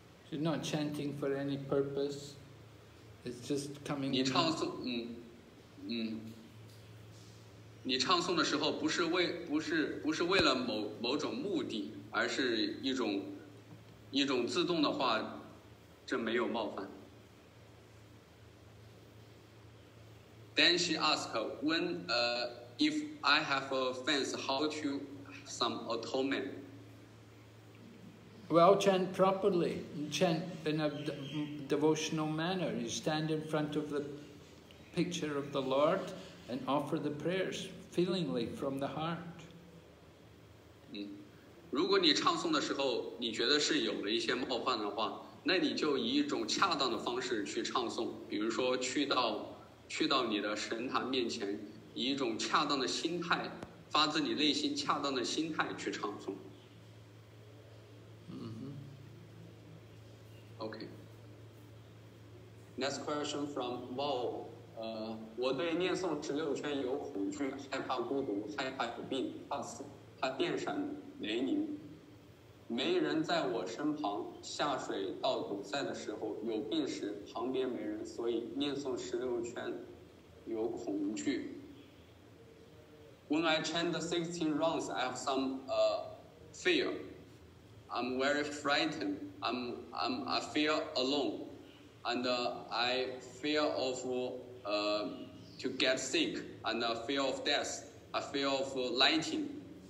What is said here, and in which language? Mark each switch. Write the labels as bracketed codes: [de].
[en] She's not chanting for any purpose. It's just coming. [zh] 你唱诵，你唱诵的时候不是为了某种目的，而是一种自动的话，这没有冒犯。 [en] Then she asked, "When if I have offense, how to have some atonement?" Well, chant properly. Chant in a devotional manner. You stand in front of the picture of the Lord and offer the prayers feelingly from the heart. [zh] 如果你唱诵的时候你觉得是有了一些冒犯的话，那你就以一种恰当的方式去唱诵，比如说去到你的神坛面前，以一种恰当的心态，发自你内心恰当的心态去唱诵。 [en] OK. Next question from Wow. [zh] 我对念诵十六圈有恐惧，害怕孤独，害怕有病，怕死，怕电闪雷鸣，没人在我身旁，下水道堵塞的时候，有病时旁边没人，所以念诵十六圈有恐惧。 [en] When I chant 16 rounds, I have some fear. I'm very frightened. I feel alone, and I fear of to get sick, and fear of death, a fear of lightning.